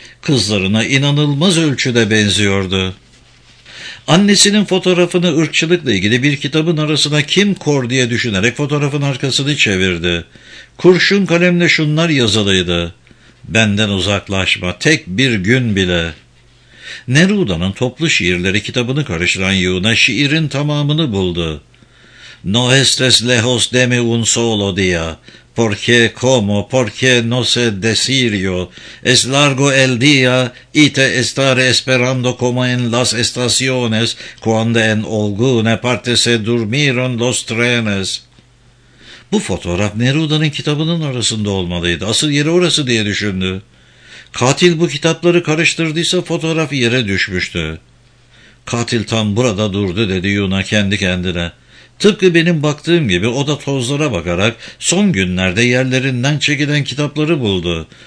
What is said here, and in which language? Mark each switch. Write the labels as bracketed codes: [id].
[tr] Kızlarına inanılmaz ölçüde benziyordu. Annesinin fotoğrafını ırkçılıkla ilgili bir kitabın arasına kim kor diye düşünerek fotoğrafın arkasını çevirdi. Kurşun kalemle şunlar yazılıydı. Benden uzaklaşma, tek bir gün bile. Neruda'nın toplu şiirleri kitabını karıştıran Yuna şiirin tamamını buldu. [es] No estes lejos de mi un solo día. ¿Por qué, cómo, por qué no sé decir yo? Es largo el día y te estaré esperando como en las estaciones cuando en alguna parte se durmieron los trenes. [tr] Bu fotoğraf Neruda'nın kitabının arasında olmalıydı. Asıl yeri orası diye düşündü. Katil bu kitapları karıştırdıysa fotoğraf yere düşmüştü. Katil tam burada durdu dedi Yuna kendi kendine. Tıpkı benim baktığım gibi o da tozlara bakarak son günlerde yerlerinden çekilen kitapları buldu.